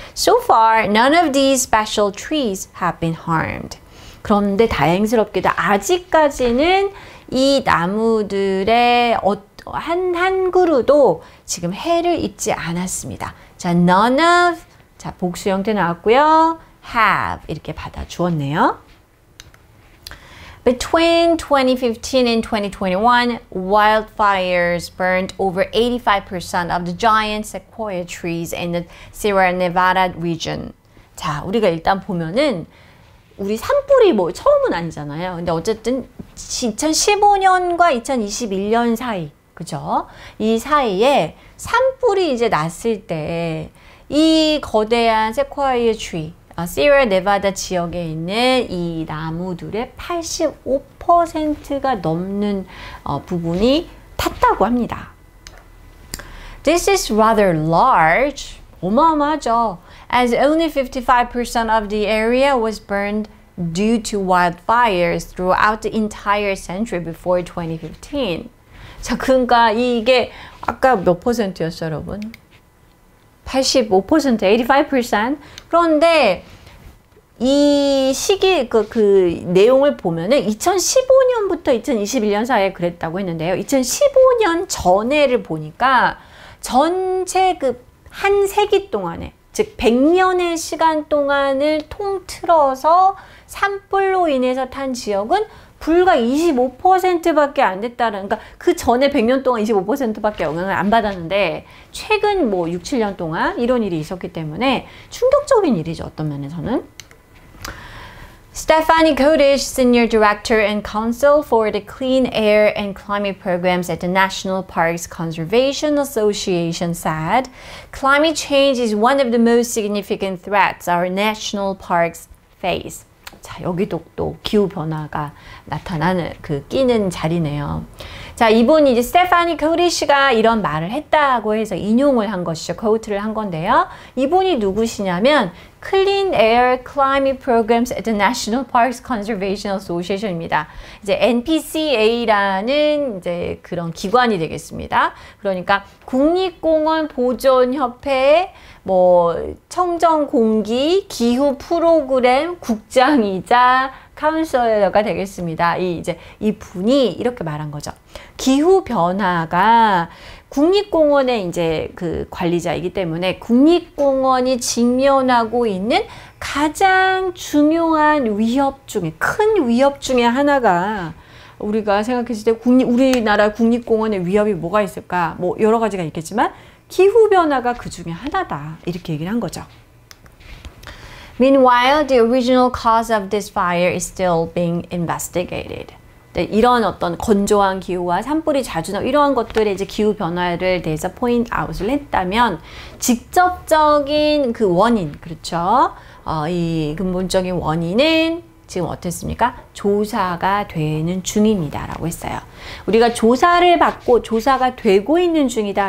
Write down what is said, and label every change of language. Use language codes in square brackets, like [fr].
[en] So far, none of these special trees have been harmed. [ko] 그런데 다행스럽게도 아직까지는 이 나무들의 한 그루도 지금 해를 입지 않았습니다. 자, none of, 자, 복수 형태 나왔고요. have 이렇게 받아 주었네요. [en] Between 2015 and 2021, wildfires burned over 85% of the giant sequoia trees in the Sierra Nevada region. [ko] 자, 우리가 일단 보면은 우리 산불이 뭐 처음은 아니잖아요. 근데 어쨌든 2015년과 2021년 사이, 그죠? 이 사이에 산불이 이제 났을 때 이 거대한 sequoia tree, Sierra Nevada 지역에 있는 이 나무들의 85%가 넘는 부분이 탔다고 합니다. [en] This is rather large. [ko] 어마어마하죠. [en] As only 55% of the area was burned due to wildfires throughout the entire century before 2015. [ko] 자, 그러니까 이게 아까 몇 퍼센트였어요, 여러분? 85%, 85%. 그런데 이 시기 그 내용을 보면은 2015년부터 2021년 사이에 그랬다고 했는데요. 2015년 전해를 보니까 전체 그 한 세기 동안에 즉 100년의 시간 동안을 통틀어서 산불로 인해서 탄 지역은 불과 25%밖에 안 됐다는, 그러니까 그 전에 100년 동안 25%밖에 영향을 안 받았는데 최근 뭐 6, 7년 동안 이런 일이 있었기 때문에 충격적인 일이죠. 어떤 면에서는 [en] Stephanie Kodish, Senior Director and Counsel for the Clean Air and Climate Programs at the National Parks Conservation Association said, climate change is one of the most significant threats our national parks face. [ko] 자, 여기도 또 기후 변화가 나타나는 그 끼는 자리네요. 자, 이분이 이제 스테파니 코디시가 이런 말을 했다고 해서 인용을 한 것이죠. 코트를 한 건데요. 이분이 누구시냐면 Clean Air Climate Programs at the National Parks Conservation Association입니다. 이제 NPCA라는 이제 그런 기관이 되겠습니다. 그러니까 국립공원 보존협회의 뭐 청정 공기 기후 프로그램 국장이자 카운셀러가 되겠습니다. 이제 이분이 이렇게 말한 거죠. 기후 변화가 국립공원의 이제 그 관리자이기 때문에 국립공원이 직면하고 있는 가장 중요한 위협 중에 큰 위협 중에 하나가 우리가 생각했을 때 우리나라 국립공원의 위협이 뭐가 있을까? 뭐 여러 가지가 있겠지만 기후 변화가 그 중에 하나다. 이렇게 얘기를 한 거죠. [en] Meanwhile, the original cause of this fire is still being investigated. [ko] 네, 이런 어떤 건조한 기후와 산불이 자주 나고 이러한 것들의 이제 기후 변화를 대해서 [en] point out [ko] 을 했다면 직접적인 그 원인, 그렇죠? 이 근본적인 원인은 지금 어떻습니까? 조사가 되는 중입니다. 라고 했어요. 우리가 조사를 받고 조사가 되고 있는 중이다.